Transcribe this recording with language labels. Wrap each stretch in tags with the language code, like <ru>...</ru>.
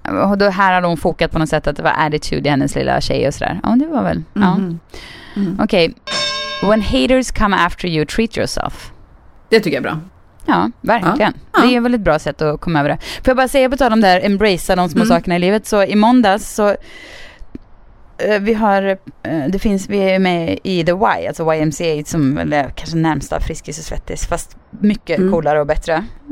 <sv>Och då här har hon fokat på något sätt att det var attitude i hennes lilla tjej och sådär. Ja, det var väl. Ja. Okej.</sv> <en>When haters come after you, treat yourself.</en> <sv>Det tycker jag är bra. Ja, verkligen. Ja. Det är ett väldigt bra sätt att komma över det. För jag bara säga på tal om det här, embrace de små sakerna i livet. Så i måndags så vi är med i The Y, alltså YMCA, som är kanske närmsta Friskis och Svettis, fast mycket coolare och bättre.</sv>